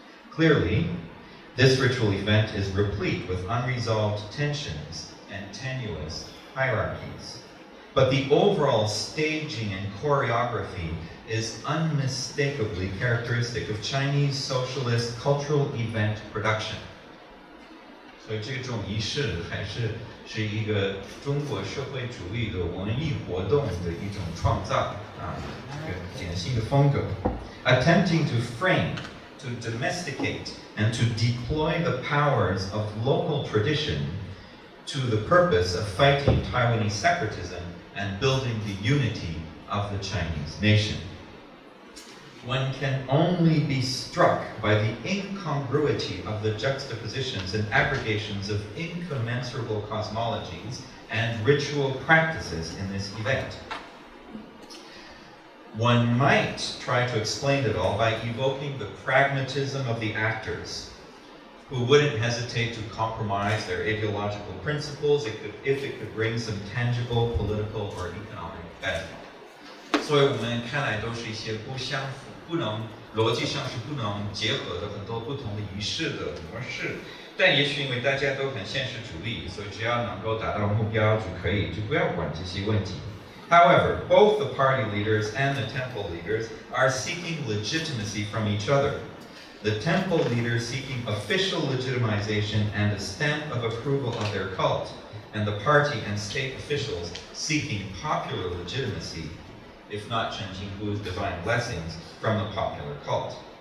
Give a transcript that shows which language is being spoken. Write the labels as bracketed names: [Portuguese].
[English] Clearly,This ritual event is replete with unresolved tensions and tenuous hierarchies. But the overall staging and choreography is unmistakably characteristic of Chinese socialist cultural event production. [Chinese] 所以这种仪式还是一个中国社会主义的文艺活动的一种创造啊，一个典型的风格。 [English] Attempting to frame, to domesticate,and to deploy the powers of local tradition to the purpose of fighting Taiwanese separatism and building the unity of the Chinese nation. One can only be struck by the incongruity of the juxtapositions and aggregations of incommensurable cosmologies and ritual practices in this event. One might try to explain it all by evoking the pragmatism of the actors, who wouldn't hesitate to compromise their ideological principles if it could bring some tangible political or economic benefit. [Chinese] 所以我们看来都是一些不相符、不能逻辑上是不能结合的很多不同的仪式的模式。但也许因为大家都很现实主义，所以只要能够达到目标就可以，就不要管这些问题。 [English] However, both the party leaders and the temple leaders are seeking legitimacy from each other. The temple leaders seeking official legitimization and a stamp of approval of their cult, and the party and state officials seeking popular legitimacy, if not Chen Jinghu's divine blessings, from the popular cult.